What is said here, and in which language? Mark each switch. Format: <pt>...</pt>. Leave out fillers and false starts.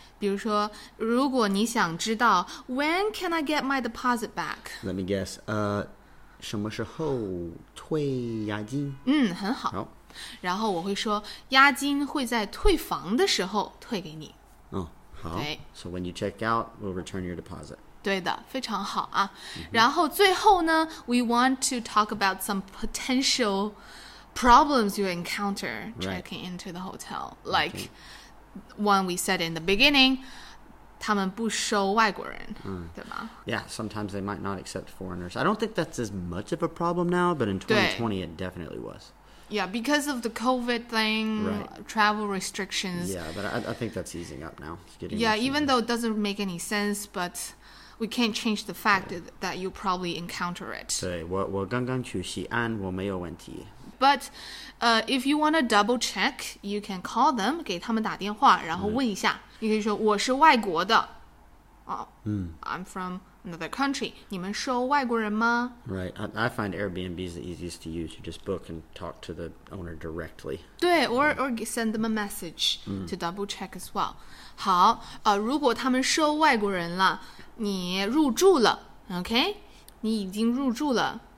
<zh>比如说, 如果你想知道,</zh> <en>when can I get my deposit back? Let me guess.</en> <zh>什么时候退押金? 很好. 然后我会说, 押金会在退房的时候退给你。好。对。</zh> <en>So when you check out, we'll return your deposit.</en> <zh>对的, 非常好啊。</zh> <en>然后最后呢, we want to talk about some potential problems you encounter checking into the hotel. Like one we said in the beginning,</en> <zh>他们不收外国人, 对吗?</zh> <en>Yeah, sometimes they might not accept foreigners. I don't think that's as much of a problem now, but in 2020 it definitely was. Yeah, because of the COVID thing, travel restrictions. Yeah, but I think that's easing up now. Yeah, even though it doesn't make any sense, but... We can't change the fact that you probably encounter it.</en> <zh>对,我刚刚去西安,我没有问题。</zh> <en>But if you want to double check, you can call them,</en> <zh>给他们打电话,然后问一下。你可以说,我是外国的。</zh> <en>I'm from another country.</en> <zh>你们收外国人吗?</zh> <en>Right, I find Airbnb is the easiest to use. You just book and talk to the owner directly. 对, or send them a message to double check as well.</en> <zh>好, 如果他们收外国人了, 你入住了, okay? 你已经入住了,</zh>